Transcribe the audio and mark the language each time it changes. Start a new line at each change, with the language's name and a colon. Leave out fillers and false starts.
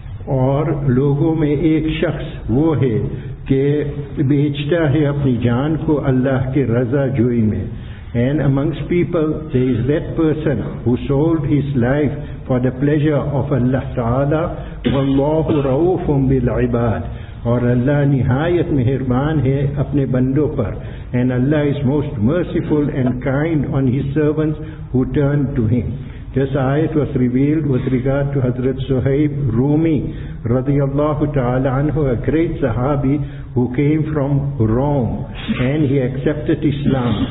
Urdu: اور لوگوں میں ایک شخص وہ ہے کہ بیچتا ہے اپنی جان کو اللہ کے رضا جوئی میں.
English: And amongst people, there is that person who sold his life for the pleasure of Allah Ta'ala.
Arabic: وَاللَّهُ رَوْفٌ بِالْعِبَادِ.
Urdu: اور اللہ نہایت مہربان ہے اپنے بندوں پر.
English: And Allah is most merciful and kind on his servants who turn to him. This ayat was revealed with regard to Hazrat Suhaib Rumi radiallahu ta'ala anhu, a great sahabi who came from Rome, and he accepted Islam.